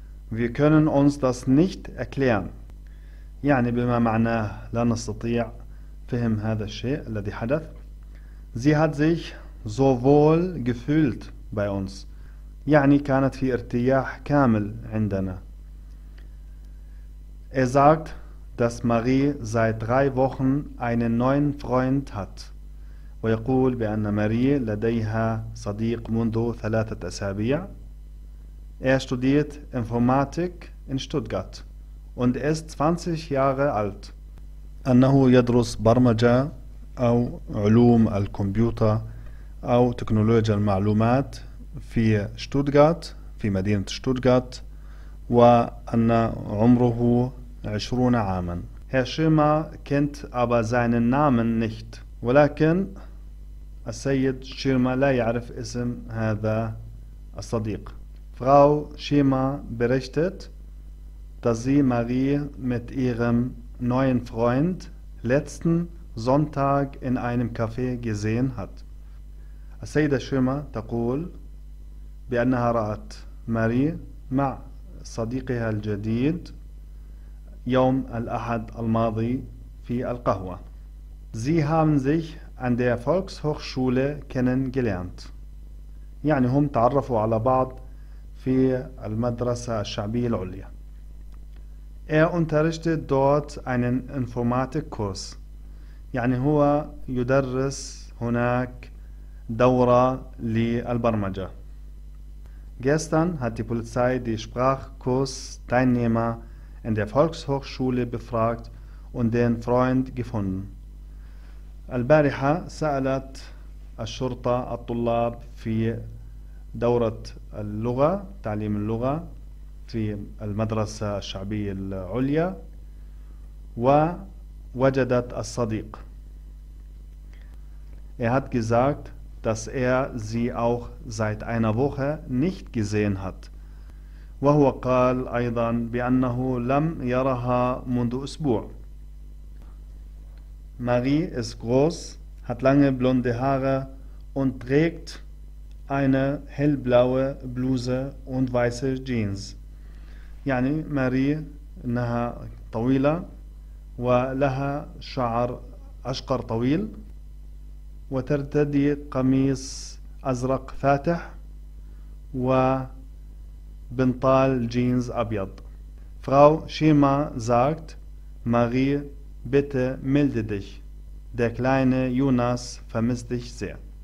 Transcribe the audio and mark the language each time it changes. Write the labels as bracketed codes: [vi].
[de] Wir können uns das nicht erklären. [ar] يعني بما معناه لا نستطيع فهم هذا الشيء الذي حدث. [de] Sie hat sich so wohl gefühlt bei uns. [ar] يعني كانت في ارتياح كامل عندنا. [de] sagt, dass Marie seit 3 Wochen einen neuen Freund hat. [ar] ويقول بأن ماري لديها صديق منذ 3 أسابيع. [de] studiert Informatik in Stuttgart und ist 20 Jahre alt. [ar] أنه يدرس برمجة أو علوم الكمبيوتر أو تكنولوجيا المعلومات في شتوتغارت في مدينة شتوتغارت وأن عمره 20 عاما. [de] Herr Schirmer kennt aber seinen Namen nicht. [ar] ولكن السيد شيرمر لا يعرف اسم هذا الصديق. [de] Frau Schirmer berichtet, dass sie Marie mit ihrem neuen Freund letzten Sonntag in einem Café gesehen hat. [ar] السيدة شيرمر تقول بأنها رأت ماري مع صديقها الجديد يوم الأحد الماضي في القهوة. [de] Sie haben sich an der Volkshochschule kennengelernt. [ar] يعني هم تعرفوا على بعض في المدرسة الشعبية العليا. [de] unterrichtet dort einen Informatikkurs. [ar] يعني هو يدرس هناك دورة للبرمجة. [de] Gestern hat die Polizei die Sprachkursteilnehmer in der Volkshochschule befragt und den Freund gefunden. [ar] البارحة سألت الشرطة الطلاب في دورة اللغة تعليم اللغة في المدرسة الشعبية العليا ووجدت الصديق. [de] hat gesagt, dass sie auch seit einer Woche nicht gesehen hat. [ar] وهو قال أيضا بأنه لم يرها منذ أسبوع. [de] Marie ist groß, hat lange blonde Haare und trägt eine hellblaue Bluse und weiße Jeans. [ar] يعني Marie إنها طويلة ولها شعر أشقر طويل وترتدي قميص أزرق فاتح وبنطال جينز أبيض. [de] Frau Schirmer sagt, Marie, bitte melde dich. Der kleine Jonas vermisst dich sehr.